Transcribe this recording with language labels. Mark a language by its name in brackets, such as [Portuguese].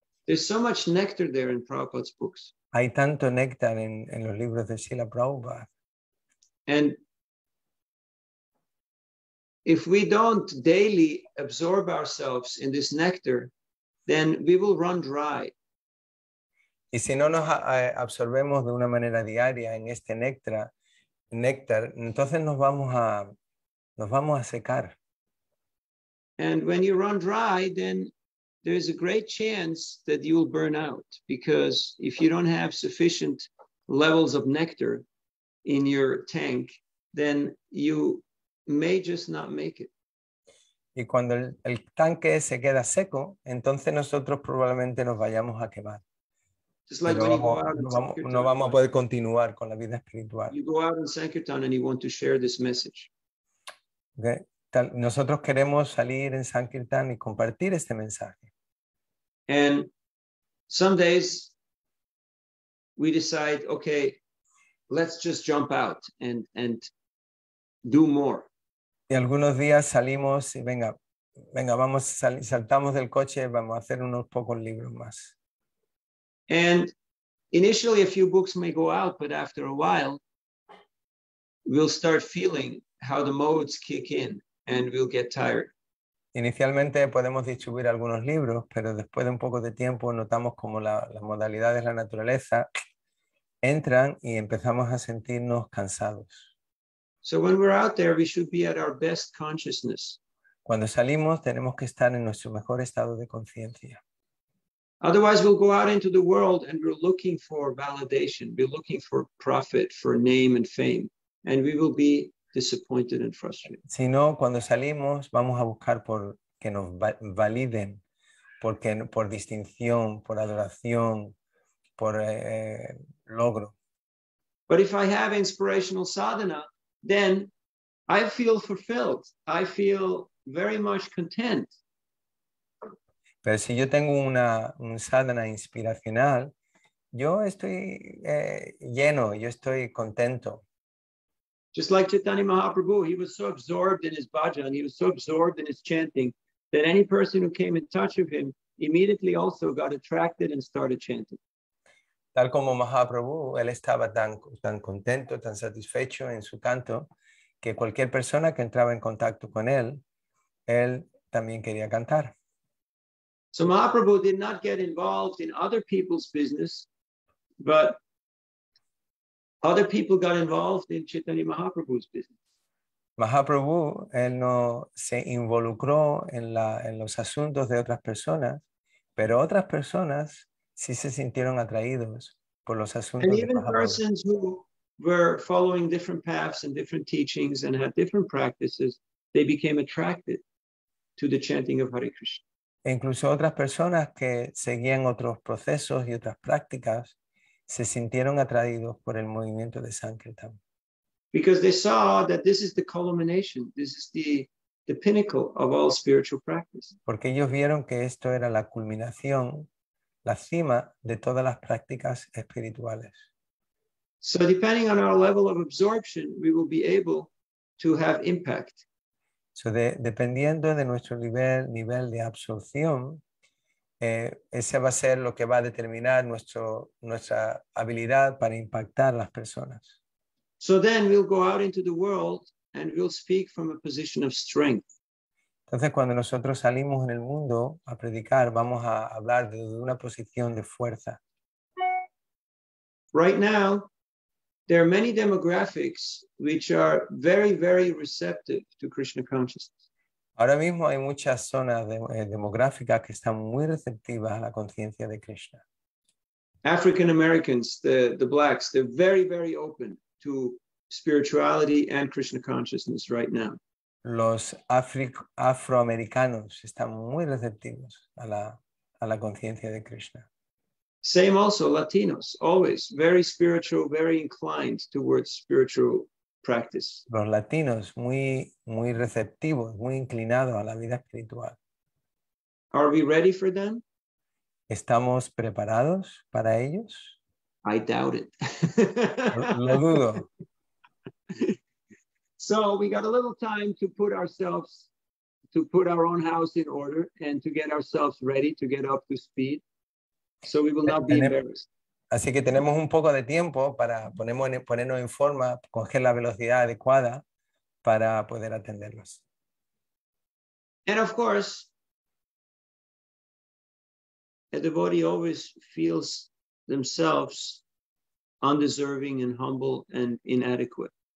[English] There's so much nectar there in Prabhupada's books. [Spanish] Hay tanto néctar en los libros de Srila Prabhupada. [English] And if we don't daily absorb ourselves in this nectar, then we will run dry. [Spanish] Y si no nos absorbemos de una manera diaria en este néctar, entonces nos vamos a secar. [English] And when you run dry, then there is a great chance that you will burn out, because if you don't have sufficient levels of nectar in your tank, then you may just not make it. [Spanish] Y cuando el tanque se queda seco, entonces nosotros probablemente nos vayamos a quemar. [English] Just like when [Spanish] no vamos a poder continuar con la vida espiritual. [English] You go out in Sankirtan and you want to share this message. Okay. [Spanish] Nosotros queremos salir en Sankirtan y compartir este mensaje. [English] And some days we decide, okay, let's just jump out and do more. [Spanish] Y algunos días salimos y venga, vamos, saltamos del coche, vamos a hacer unos pocos libros más. [English] And initially a few books may go out, but after a while we'll start feeling how the modes kick in and we'll get tired. [Spanish] Inicialmente podemos distribuir algunos libros, pero después de un poco de tiempo notamos como las modalidades de la naturaleza entran y empezamos a sentirnos cansados. [English] So when we're out there, we should be at our best consciousness. [Spanish] Cuando salimos, tenemos que estar en nuestro mejor estado de conciencia. [English] Otherwise, we'll go out into the world and we're looking for validation. We're looking for profit, for name and fame. And we will be disappointed and frustrated. [Spanish] Si no, cuando salimos, vamos a buscar por que nos validen, porque por distinción, por adoración, por logro. [English] But if I have inspirational sadhana, then I feel fulfilled. I feel very much content. [Spanish] Pero si yo tengo un sadhana inspiracional, yo estoy lleno, yo estoy contento. [English] Just like Chaitanya Mahaprabhu, he was so absorbed in his bhajan, he was so absorbed in his chanting, that any person who came in touch with him immediately also got attracted and started chanting. [Spanish] Tal como Mahaprabhu, él estaba tan contento, tan satisfecho en su canto, que cualquier persona que entraba en contacto con él, él también quería cantar. [English] So Mahaprabhu did not get involved in other people's business, but other people got involved in Chaitanya Mahaprabhu's business. [Spanish] Mahaprabhu, él no se involucró en los asuntos de otras personas, pero otras personas sí se sintieron atraídos por los asuntos de Mahaprabhu. [English] And even persons who were following different paths and different teachings and had different practices, they became attracted to the chanting of Hare Krishna. [Spanish] E incluso otras personas que seguían otros procesos y otras prácticas se sintieron atraídos por el movimiento de Sankirtan. [English] Because they saw that this is the culmination, this is the pinnacle of all spiritual practice. [Spanish] Porque ellos vieron que esto era la culminación, la cima de todas las prácticas espirituales. [English] So depending on our level of absorption, we will be able to have impact. [Spanish] So dependiendo de nuestro nivel de absorción, ese va a ser lo que va a determinar nuestra habilidad para impactar las personas. [English] So then we'll go out into the world and we'll speak from a position of strength. [Spanish] Entonces cuando nosotros salimos en el mundo a predicar, vamos a hablar de una posición de fuerza. [English] Right now, there are many demographics which are very, very receptive to Krishna consciousness. [Spanish] Ahora mismo hay muchas zonas demográficas que están muy receptivas a la conciencia de Krishna. [English] African Americans, the blacks, they're very, very open to spirituality and Krishna consciousness right now. [Spanish] los afroamericanos están muy receptivos a la conciencia de Krishna. [English] Same also, Latinos, always very spiritual, very inclined towards spiritual practice. [Spanish] Los latinos, muy, muy receptivos, muy inclinados a la vida espiritual. [English] Are we ready for them? [Spanish] ¿Estamos preparados para ellos? [English] I doubt it. [Spanish] Lo dudo. [English] So we got a little time to put ourselves, to put our own house in order and to get ourselves ready to get up to speed. So we will not be embarrassed. [Spanish] Así que tenemos un poco de tiempo para ponernos en forma, coger la velocidad adecuada para poder atenderlos. [English] And of course, a devotee always feels themselves undeserving and humble and inadequate.